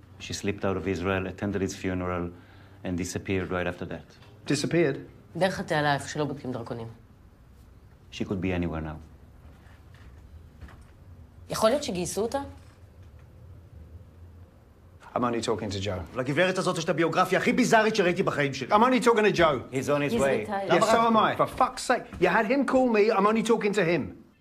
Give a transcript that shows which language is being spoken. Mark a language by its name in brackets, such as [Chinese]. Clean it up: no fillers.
[English] She slipped out of Israel, attended his funeral, and disappeared right after that. Disappeared? [Hebrew] דרך התעלה, איפה שלא בודקים דרכונים. [English] She could be anywhere now. [Hebrew] יכול להיות שגייסו אותה? [English] I'm only talking to Joe. [Hebrew] לגברת הזאת יש את הביוגרפיה הכי ביזארית שראיתי בחיים שלי. [English] I'm only talking to Joe. He's on his way. Yes, so am I. For fuck's sake, you had him call me, I'm only talking to him.